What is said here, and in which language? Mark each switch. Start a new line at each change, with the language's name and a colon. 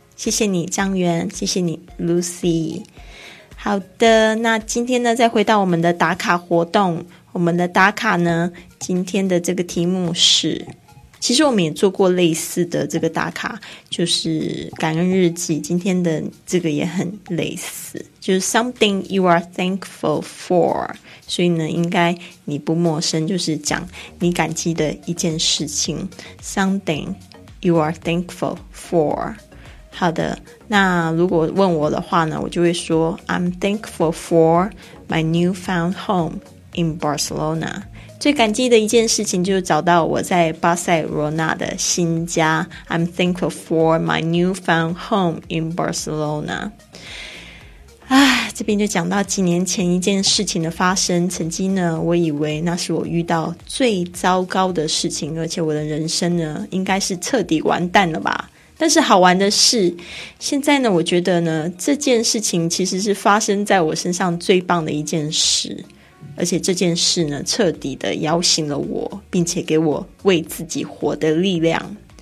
Chinese: 谢谢你张元，谢谢你 Lucy。好的，那今天呢再回到我们的打卡活动，我们的打卡呢今天的这个题目是，其实我们也做过类似的这个打卡，就是感恩日记，今天的这个也很类似，就是
English: something you are thankful for，
Chinese: 所以呢应该你不陌生，就是讲你感激的一件事情， something you are thankful for。好的，那如果问我的话呢，我就会说
English: I'm thankful for my newfound home in Barcelona。
Chinese: 最感激的一件事情就是找到我在巴塞罗那的新家。
English: I'm thankful for my newfound home in Barcelona。
Chinese: 这边就讲到几年前一件事情的发生，曾经呢我以为那是我遇到最糟糕的事情，而且我的人生呢应该是彻底完蛋了吧。但是好玩的是，现在呢我觉得呢这件事情其实是发生在我身上最棒的一件事，而且这件事呢彻底的摇醒了我，并且给我为自己活的力量。